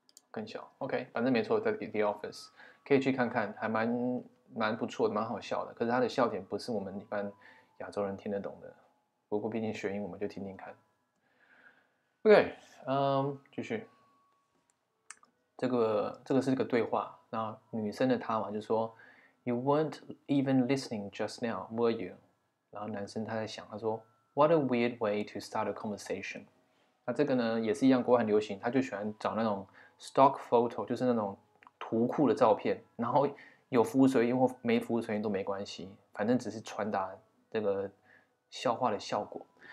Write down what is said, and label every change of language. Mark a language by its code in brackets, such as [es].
[zh] 更小 ，OK， 反正没错，在《The Office》。可以去看看，还蛮不错的，蛮好笑的。可是他的笑点不是我们一般亚洲人听得懂的。不过毕竟学英文，我们就听听看。OK， 继续。这个是一个对话。那女生的她嘛，就说 [en] "You weren't even listening just now, were you?" [zh] 然后男生他在想，他说 [en] "What a weird way to start a conversation." [zh] 那这个呢，也是一样，国外很流行，他就喜欢找那种 stock photo， 就是那种图库的照片，然后有服务随意或没服务随意都没关系，反正只是传达这个笑话的效果。